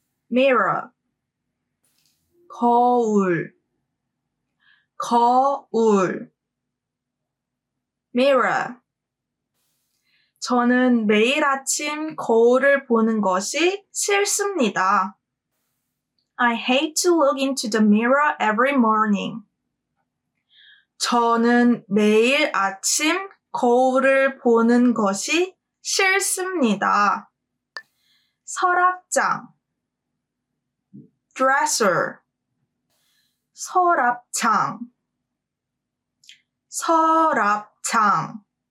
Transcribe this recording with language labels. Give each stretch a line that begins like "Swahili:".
English: Mirror.
Korean: 거울. 거울.
English: Mirror.
Korean: 저는 매일 아침 거울을 보는 것이 싫습니다.
English: I hate to look into the mirror every morning.
Korean: 저는 매일 아침 거울을 보는 것이 싫습니다. 서랍장.
English: Dresser.
Korean: 서랍장. 서랍장.